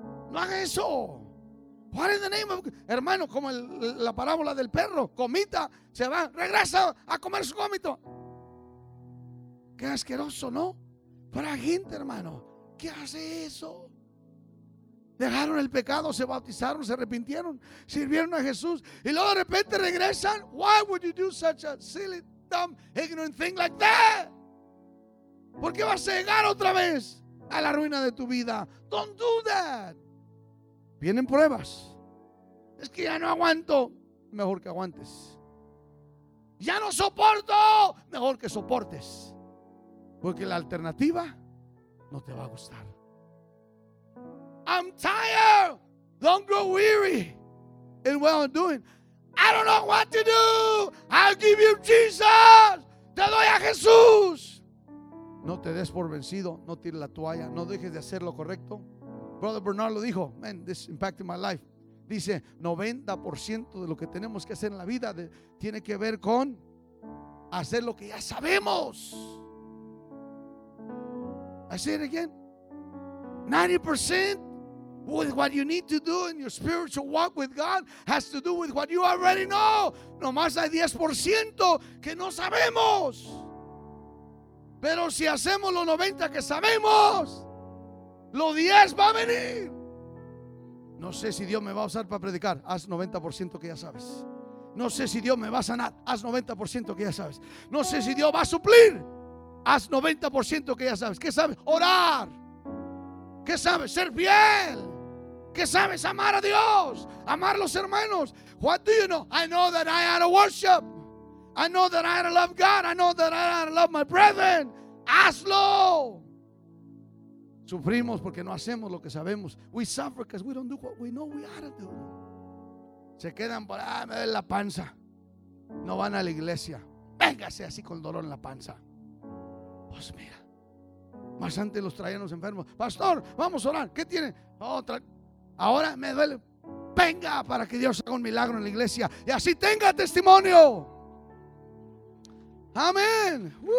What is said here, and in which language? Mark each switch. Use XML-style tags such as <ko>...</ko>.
<es>No haga eso.</es> <en>What in the name of,</en> <es>hermano, como la parábola del perro, comita, se va, regresa a comer su gómito. Qué asqueroso, ¿no? Pero hay gente, hermano, ¿qué hace eso? Dejaron el pecado, se bautizaron, se arrepintieron, sirvieron a Jesús y luego de repente regresan.</es> <en>Why would you do such a silly, dumb, ignorant thing like that?</en> <es>¿Por qué vas a llegar otra vez a la ruina de tu vida?</es> <en>Don't do that.</en> <es>Vienen pruebas. Es que ya no aguanto. Mejor que aguantes. Ya no soporto. Mejor que soportes. Porque la alternativa no te va a gustar.</es> <en>I'm tired. Don't grow weary in well doing. I don't know what to do. I'll give you Jesus.</en> <es>Te doy a Jesús. No te des por vencido. No tires la toalla. No dejes de hacer lo correcto. Brother Bernard lo dijo.</es> <en>Man, this impacted my life.</en> <es>Dice, 90% de lo que tenemos que hacer en la vida tiene que ver con hacer lo que ya sabemos.</es> <en>I say it again. 90% with what you need to do in your spiritual walk with God has to do with what you already know.</en> <es>Nomás hay 10% que no sabemos. Pero si hacemos los 90 que sabemos, los 10 va a venir. No sé si Dios me va a usar para predicar. Haz 90% que ya sabes. No sé si Dios me va a sanar. Haz 90% que ya sabes. No sé si Dios va a suplir. Haz 90% que ya sabes. ¿Qué sabes? Orar. ¿Qué sabes? Ser fiel. ¿Qué sabes? Amar a Dios. Amar a los hermanos.</es> <en>What do you know? I know that I ought to worship. I know that I ought to love God. I know that I ought to love my brethren.</en> <es>Hazlo. Sufrimos porque no hacemos lo que sabemos.</es> <en>We suffer because we don't do what we know we ought to do.</en> <es>Se quedan por, me duele la panza. No van a la iglesia. Véngase así con el dolor en la panza. Pues mira. Más antes los traían los enfermos. Pastor, vamos a orar. ¿Qué tiene? Otra. Ahora me duele. Venga para que Dios haga un milagro en la iglesia. Y así tenga testimonio. Amén.</es>